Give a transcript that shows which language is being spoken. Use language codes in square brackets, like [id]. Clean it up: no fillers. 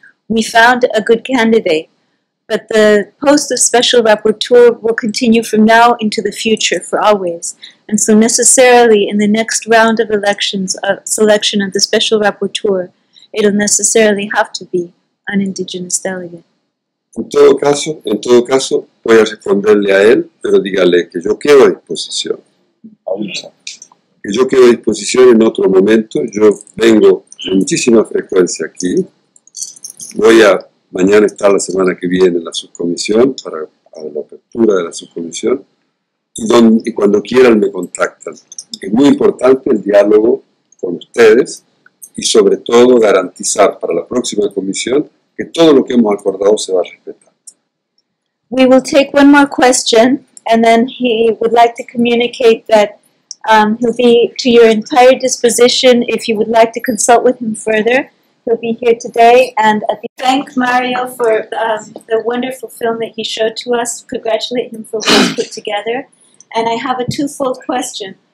[en] We found a good candidate. But the post of special rapporteur will continue from now into the future for always. And so necessarily in the next round of elections, selection of the special rapporteur, it'll necessarily have to be an indigenous delegate. [es] En todo caso, voy a responderle a él, pero dígale que yo quedo a disposición. Que yo quedo a disposición en otro momento. Yo vengo con muchísima frecuencia aquí. Voy a mañana está la semana que viene la subcomisión, para la apertura de la subcomisión, y cuando quieran me contactan. Es muy importante el diálogo con ustedes y sobre todo garantizar para la próxima comisión que todo lo que hemos acordado se va a respetar. [en] We will take one more question, and then he would like to communicate that he'll be to your entire disposition if you would like to consult with him further. He'll be here today, and I thank Mario for the wonderful film that he showed to us, congratulate him for what he put together, and I have a twofold question.